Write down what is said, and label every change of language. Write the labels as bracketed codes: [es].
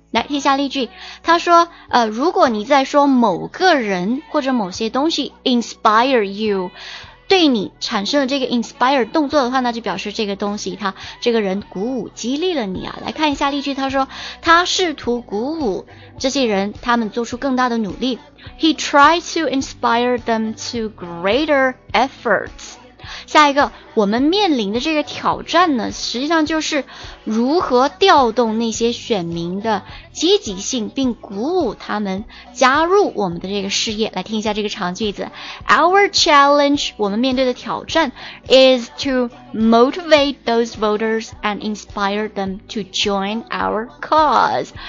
[zh] 来听一下例句，他说如果你在说某个人或者某些东西 inspire you，对你产生了这个 inspire 动作的话，那就表示这个东西他这个人鼓舞激励了你啊。来看一下例句，他说他试图鼓舞这些人，他们做出更大的努力。 [en] He tried to inspire them to greater efforts。 [zh] 下一个，我们面临的这个挑战呢，实际上就是如何调动那些选民的积极性，并鼓舞他们加入我们的这个事业。 [en] 来听一下这个长句子， Our challenge， [zh] 我们面对的挑战， [en] is to motivate those voters and inspire them to join our cause。